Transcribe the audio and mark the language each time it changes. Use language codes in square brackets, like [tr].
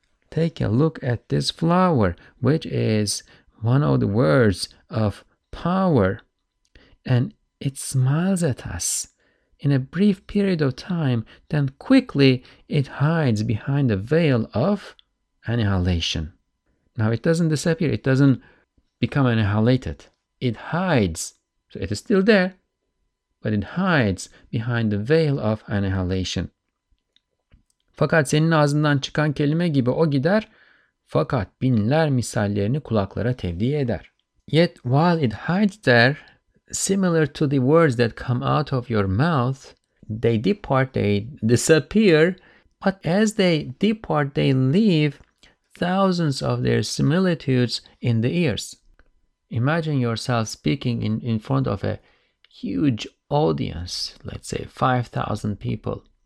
[en] Take a look at this flower, which is one of the words of power, and it smiles at us in a brief period of time, then quickly it hides behind the veil of annihilation. Now it doesn't disappear, it doesn't become annihilated. It hides, so it is still there, but it hides behind the veil of annihilation. [tr] Fakat senin ağzından çıkan kelime gibi o gider, fakat binler misallerini kulaklara tevdi eder. [en] Yet while it hides there, similar to the words that come out of your mouth, they depart, they disappear, but as they depart, they leave thousands of their similitudes in the ears. Imagine yourself speaking in front of a huge audience, let's say 5,000 people.